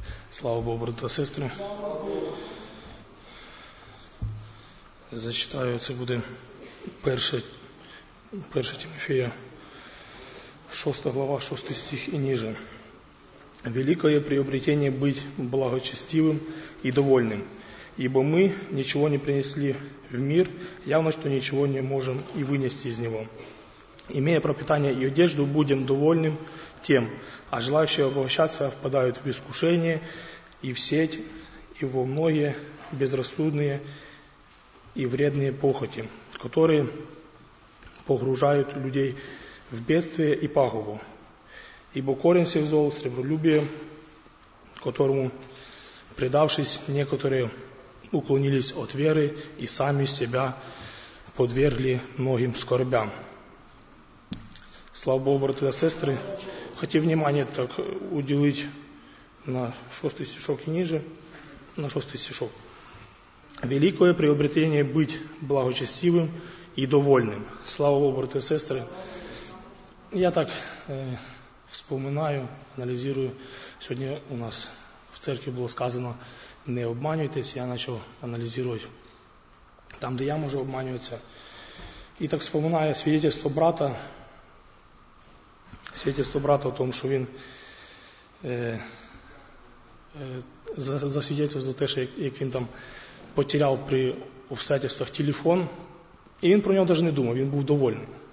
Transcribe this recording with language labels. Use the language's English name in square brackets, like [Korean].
[Ukrainian] Слава Богу, брату та сестру. Зачитаю, це буде перша Тимофія, 6 глава, 6 стих і ніже. [Russian] Великое приобретение быть благочестивым и довольным, ибо мы ничего не принесли в мир, явно, что ничего не можем и вынести из него. Имея пропитание и одежду, будем довольным тем, а желающие обогащаться впадают в искушение, и в сеть, и во многие безрассудные и вредные похоти, которые погружают людей в бедствие и пагубу. Ибо корень всех зол – сребролюбие, которому, предавшись, некоторые уклонились от веры и сами себя подвергли многим скорбям. Слава Богу, братья и сестры, хотим внимание так уделить на шостий стишок і ніже, на шостий стишок. Великое приобретение быть благочестивым и довольным. [Ukrainian] Слава Богу, брати і сестри. Я так вспоминаю, аналізую. Сьогодні у нас в церкві було сказано, не обманюйтесь. Я почав аналізувати там, де я можу обманюватися. І так вспоминаю свідчення брата о тому, що він засвідчив за те, що як він там потеряв при обстоятельствах телефон, і він про нього навіть не думав, він був довольний.